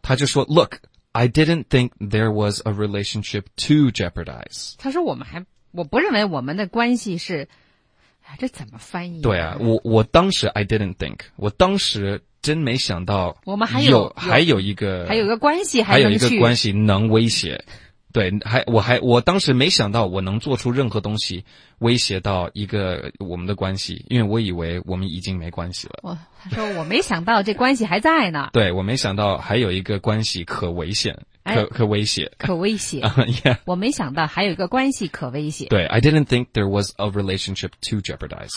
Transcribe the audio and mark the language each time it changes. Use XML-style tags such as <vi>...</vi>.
<en>他就说 Look, I didn't think there was a relationship to jeopardize.</en> <zh>他说我不认为我们的关系是这怎么翻译对啊我当时</zh> <en>I didn't think,</en> <zh>我当时真没想到我们还有一个还有一个关系还有一个关系能威胁。对我当时没想到我能做出任何东西威胁到一个我们的关系因为我以为我们已经没关系了。他说我没想到这关系还在呢。对我没想到还有一个关系可危险、可威胁。可威胁。</zh> <en>yeah.</en> <zh>我没想到还有一个关系可威胁。</zh> <en>对 ,I didn't think there was a relationship to jeopardize.</en>